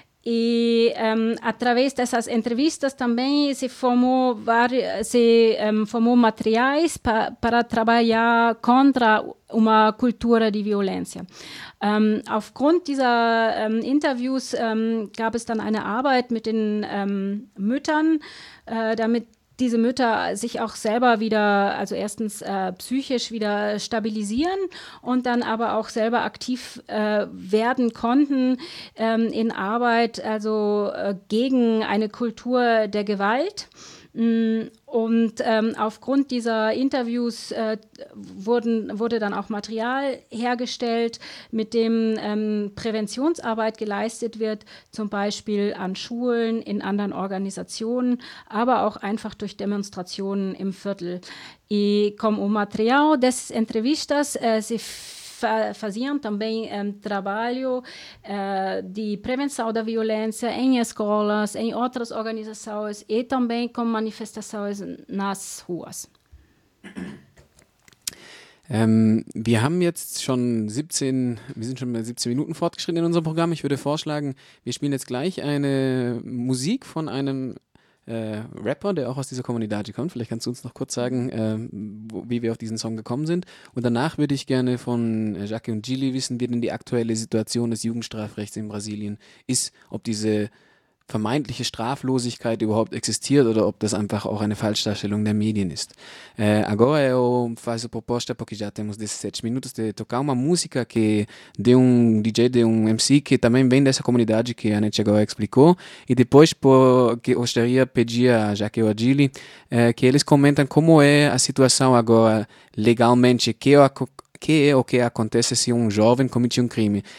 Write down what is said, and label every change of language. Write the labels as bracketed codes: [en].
[es] Y a través de esas entrevistas también se formó, formó materiales para trabajar contra una cultura de violencia. [de] Aufgrund dieser Interviews gab es dann eine Arbeit mit den Müttern, damit diese Mütter sich auch selber wieder, also erstens psychisch wieder stabilisieren und dann aber auch selber aktiv werden konnten in Arbeit, also gegen eine Kultur der Gewalt. Und aufgrund dieser Interviews wurde dann auch Material hergestellt, mit dem Präventionsarbeit geleistet wird, zum Beispiel an Schulen, in anderen Organisationen, aber auch einfach durch Demonstrationen im Viertel. [es] Y con un material de esas entrevistas se hacían también trabajo de prevención de violencia en escuelas, en otras organizaciones y también con manifestaciones en las ruas. [de] Wir sind schon bei 17 Minuten fortgeschritten in unserem Programm. Ich würde vorschlagen, wir spielen jetzt gleich eine Musik von einem Rapper, der auch aus dieser Comunidad kommt. Vielleicht kannst du uns noch kurz sagen, wie wir auf diesen Song gekommen sind. Und danach würde ich gerne von Jacques und Gilly wissen, wie denn die aktuelle Situation des Jugendstrafrechts in Brasilien ist, ob diese vermeintliche Straflosigkeit überhaupt existiert oder ob das einfach auch eine Falschdarstellung der Medien ist. [pt] Agora eu faço proposta, porque já temos 17 minutos, de tocar uma música que de DJ, de MC, que também vem dessa comunidade que a Nete agora explicou, e depois que gostaria de pedir a Jaque e a Gili que eles comentem como é a situação agora legalmente, que é o que acontece se um jovem comete um crime.